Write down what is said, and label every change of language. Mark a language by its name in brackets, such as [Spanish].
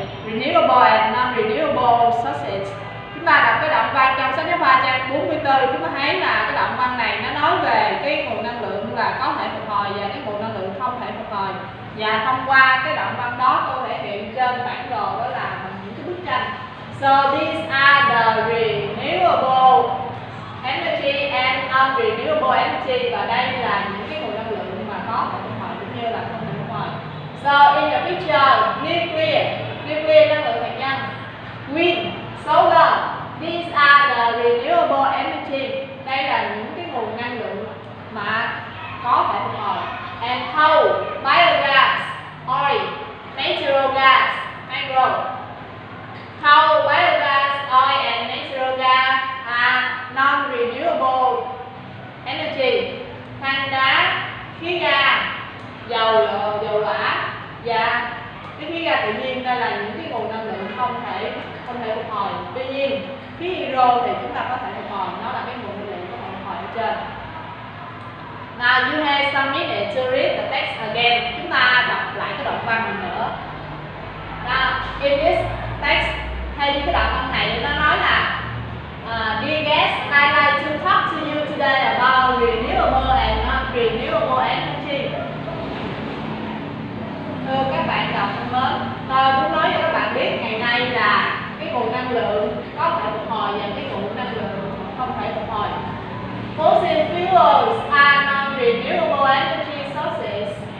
[English] renewable and non-renewable sources. [Vietnamese] Chúng ta đọc cái đoạn văn trong sách giáo khoa trang 44, chúng ta thấy là cái đoạn văn này nó nói về cái nguồn năng lượng là có thể phục hồi và cái nguồn năng lượng không thể phục hồi. Và thông qua cái đoạn văn đó cô thể hiện trên bản đồ đó là những cái bức tranh. [English] So these are the renewable energy and non-renewable energy. [Vietnamese] Và đây là những cái nguồn năng lượng mà có thể phục hồi cũng như là không thể phục hồi. [English] So in the picture, nuclear [Vietnamese] năng lượng hạt nhân, [English] wind, solar, these are the renewable energy. [Vietnamese] Đây là những cái nguồn năng lượng mà có thể phục hồi. [English] And coal, biogas, oil, natural gas, mangrove. Coal, biogas, oil and natural gas are non-renewable energy. [Vietnamese] Than đá, khí ga, dầu lỏa và cái khí ga tự nhiên, đây là những cái nguồn năng lượng không thể phục hồi. Tuy nhiên, khí hydro thì chúng ta có thể phục hồi, nó là cái nguồn năng lượng có thể phục hồi ở trên. [English] Now you have some minutes to read the text again. [Vietnamese] Chúng ta đọc lại cái đoạn văn mình nữa. [English] Now, in this text, [Vietnamese] hay những cái đoạn văn này, nó nói là [English] dear guests, I'd like to talk to you today about renewable and non-renewable energy. [Vietnamese] Thưa các bạn đọc thân mến, tôi muốn nói cho các bạn biết ngày nay là cái nguồn năng lượng có thể phục hồi và cái nguồn năng lượng không thể phục hồi. [English] Fossil fuels are non-renewable energy sources.